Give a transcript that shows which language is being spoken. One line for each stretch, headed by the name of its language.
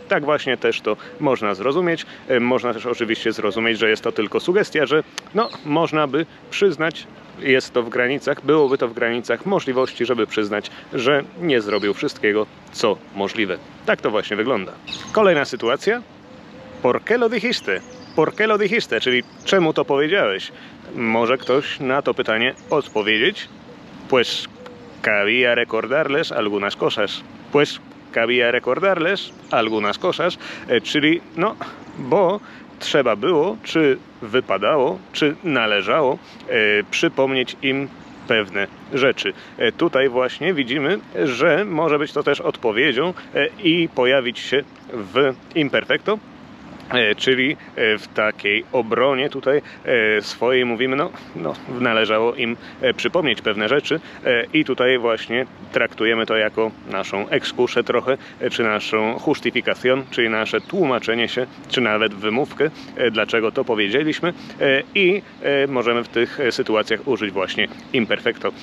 Polish: Tak właśnie też to można zrozumieć. Można też oczywiście zrozumieć, że jest to tylko sugestia, że no, można by przyznać, jest to w granicach, byłoby to w granicach możliwości, żeby przyznać, że nie zrobił wszystkiego, co możliwe. Tak to właśnie wygląda. Kolejna sytuacja.
Spanish: ¿Por qué lo dijiste? ¿Por qué lo dijiste?
Polish: Czyli czemu to powiedziałeś? Może ktoś na to pytanie odpowiedzieć?
Spanish: Pues cabía recordarles algunas cosas. Pues cabía recordarles algunas cosas.
Polish: Czyli no, bo trzeba było, czy wypadało, czy należało przypomnieć im pewne rzeczy. Tutaj właśnie widzimy, że może być to też odpowiedzią i pojawić się w imperfecto, czyli w takiej obronie tutaj swojej mówimy, no należało im przypomnieć pewne rzeczy i tutaj właśnie traktujemy to jako naszą excusę trochę, czy naszą justificación, czyli nasze tłumaczenie się, czy nawet wymówkę, dlaczego to powiedzieliśmy i możemy w tych sytuacjach użyć właśnie imperfecto.